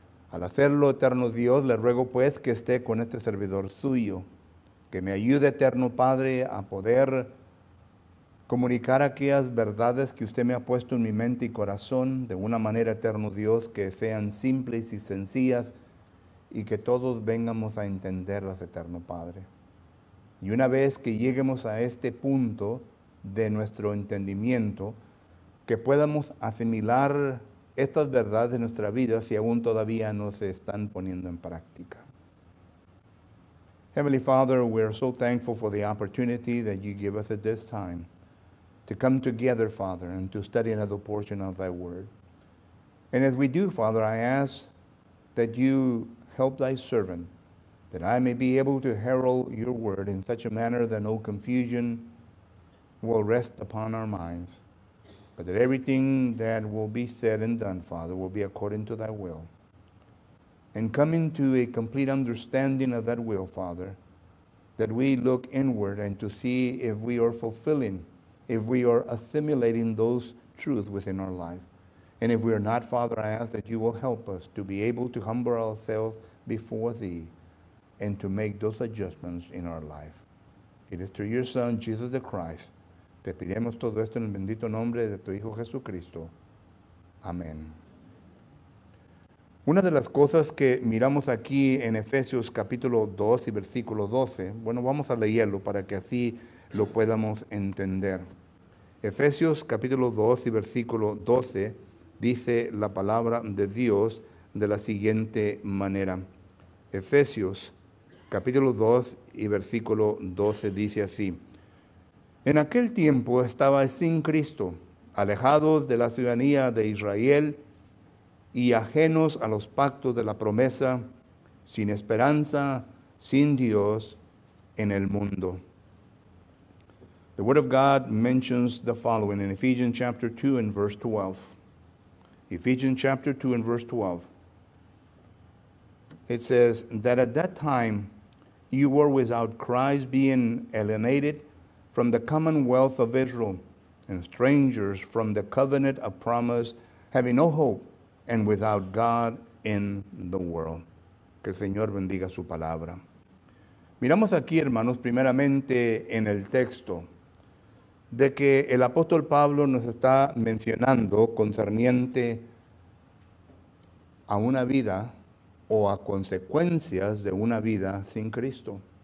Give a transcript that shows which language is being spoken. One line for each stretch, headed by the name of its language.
Spanish: Al hacerlo, eterno Dios, le ruego pues que esté con este servidor suyo, que me ayude, eterno Padre, a poder comunicar aquellas verdades que usted me ha puesto en mi mente y corazón de una manera, eterno Dios, que sean simples y sencillas y que todos vengamos a entenderlas, eterno Padre. Y una vez que lleguemos a este punto de nuestro entendimiento, que podamos asimilar estas verdades de nuestra vida si aún todavía no se están poniendo en práctica.
English: Heavenly Father, we are so thankful for the opportunity that you give us at this time to come together, Father, and to study another portion of thy word. And as we do, Father, I ask that you help thy servant, that I may be able to herald your word in such a manner that no confusion will rest upon our minds, but that everything that will be said and done, Father, will be according to thy will. And come into a complete understanding of that will, Father, that we look inward and to see if we are fulfilling, if we are assimilating those truths within our life. And if we are not, Father, I ask that you will help us to be able to humble ourselves before thee and to make those adjustments in our life. It is through your Son, Jesus the Christ.
Spanish: Te pedimos todo esto en el bendito nombre de tu Hijo Jesucristo. Amén. Una de las cosas que miramos aquí en Efesios capítulo 2 y versículo 12, bueno, vamos a leerlo para que así lo podamos entender. Efesios capítulo 2 y versículo 12 dice la palabra de Dios de la siguiente manera. Efesios capítulo 2 y versículo 12 dice así. En aquel tiempo estaba sin Cristo, alejados de la ciudadanía de Israel y ajenos a los pactos de la promesa, sin esperanza, sin Dios en el mundo.
English: The Word of God mentions the following in Ephesians chapter 2 and verse 12. Ephesians chapter 2 and verse 12. It says that at that time you were without Christ, being alienated from the commonwealth of Israel and strangers from the covenant of promise, having no hope and without God in the world.
Spanish: Que el Señor bendiga su palabra. Miramos aquí, hermanos, primeramente en el texto, de que el apóstol Pablo nos está mencionando concerniente a una vida o a consecuencias de una vida sin Cristo.